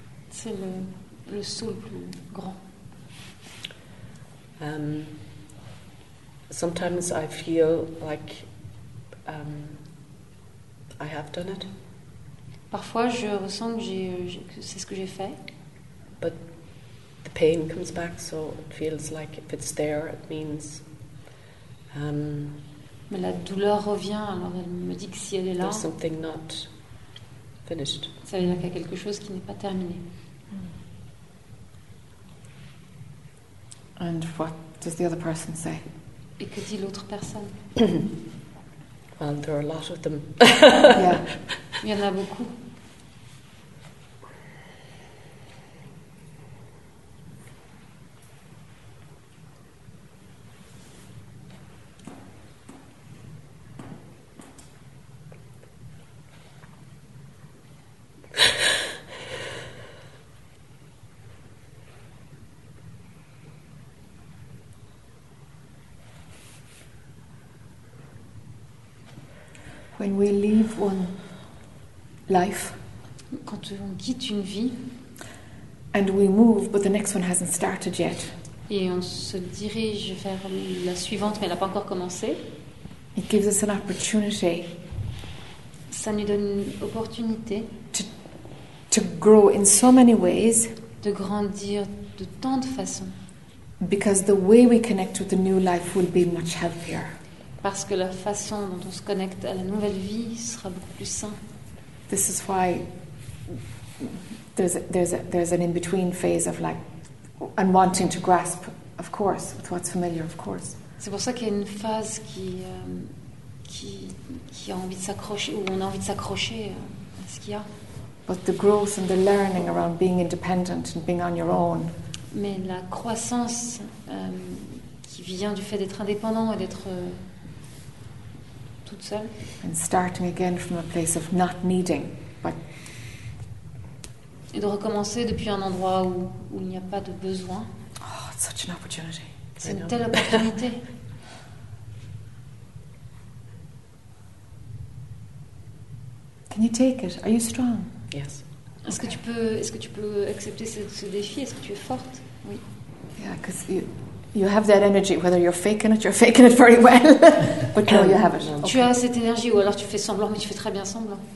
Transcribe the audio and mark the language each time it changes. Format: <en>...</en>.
<fr>C'est le saut le plus grand.</fr> <en>Sometimes I feel like I have done it.</en> <fr>Parfois, je ressens que c'est ce que j'ai fait.</fr> <en>But the pain comes back, so it feels like if it's there, it means.</en> <fr>Mais la douleur revient, alors elle me dit que si elle est là.</fr> <en>There's something not finished.</en> <fr>Ça veut dire qu'il y a quelque chose qui n'est pas terminé.</fr> <en>And what does the other person say?</en> <fr>Et que dit l'autre personne?</fr> <en>Well, there are a lot of them. Yeah.</en> <fr>Il y en a beaucoup.</fr> <en>When we leave one life,</en> <fr>quand on quitte une vie,</fr> <en>and we move, but the next one hasn't started yet.</en> <fr>Et on se dirige vers la suivante, mais elle n'a pas encore commencé.</fr> <en>It gives us an opportunity.</en> <fr>Ça nous donne une opportunité.</fr> <en>To grow in so many ways.</en> <fr>De grandir de tant de façons.</fr> <en>Because the way we connect with the new life will be much healthier.</en> <fr>Parce que la façon dont on se connecte à la nouvelle vie sera beaucoup plus sain.</fr> <en>This is why there's an in-between phase of like and wanting to grasp, of course, with what's familiar, of course.</en> <fr>C'est pour ça qu'il y a une phase qui a envie de s'accrocher ou on a envie de s'accrocher à ce qu'il y a.</fr> <en>But the growth and the learning around being independent and being on your own.</en> <fr>Mais la croissance qui vient du fait d'être indépendant et d'être toute seule.</fr> <en>And starting again from a place of not needing, but.</en> <fr>Et de recommencer depuis un endroit où il n'y a pas de besoin.</fr> <en>Oh, it's such an opportunity.</en> <fr>C'est une telle opportunité.</fr> <en>Can you take it? Are you strong? Yes.</en> <fr>Est-ce que tu peux accepter ce défi? Est-ce que tu es forte? Oui.</fr> <en>Yeah, because you have that energy, whether you're faking it very well. But no, you have it. Okay.</en> <fr>Tu as cette énergie, ou alors tu fais semblant, mais tu fais très bien semblant.</fr>